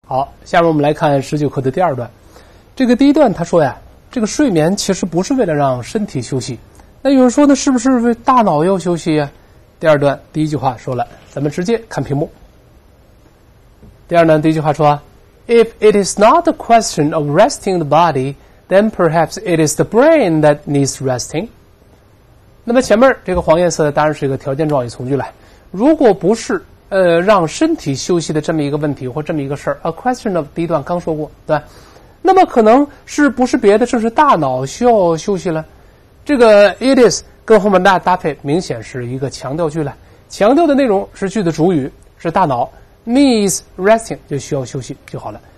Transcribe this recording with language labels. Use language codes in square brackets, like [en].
[zh] 好，下面我们来看十九课的第二段。这个第一段他说呀，这个睡眠其实不是为了让身体休息。那有人说，那是不是为大脑要休息呀？第二段第一句话说了，咱们直接看屏幕。第二段第一句话说：“ [en] If it is not a question of resting the body, then perhaps it is the brain that needs resting。” [zh] 那么前面这个黄颜色当然是一个条件状语从句了，如果不是。让身体休息的这么一个问题或这么一个事儿 ， [en] a question of [zh] 第一段刚说过，对吧？那么可能是不是别的，正是大脑需要休息了？这个 it is 跟后面的搭配明显是一个强调句了，强调的内容是句的主语是大脑 ，needs resting 就需要休息就好了。